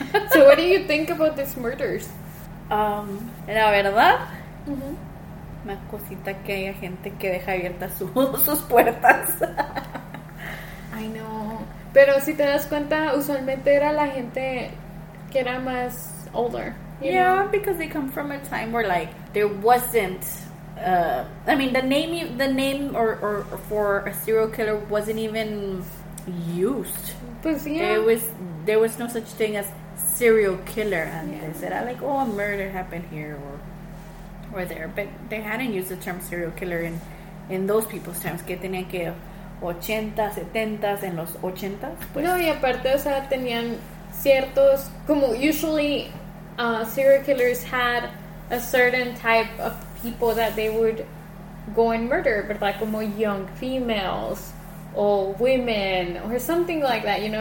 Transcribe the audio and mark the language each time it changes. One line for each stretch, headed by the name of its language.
English: So what do you think about these murders?
Spanish: La verdad, mm-hmm. Una cosita que hay gente que deja abiertas sus puertas.
English: I know.
Spanish: Pero si te das cuenta, usualmente era la gente que era más older.
English: Yeah, because they come from a time where, like, there wasn't, I mean, the name or for a serial killer wasn't even used.
Spanish: Pues, yeah.
English: There was no such thing as serial killer. And yeah. They said, like, oh, a murder happened here or there. But they hadn't used the term serial killer in those people's times.
Spanish: Que tenían que 80, 70, en los 80. Pues. No, y aparte, o sea, tenían ciertos, como usually...
English: serial killers had a certain type of people that they would go and murder, but like como young females or women or something like that, you know.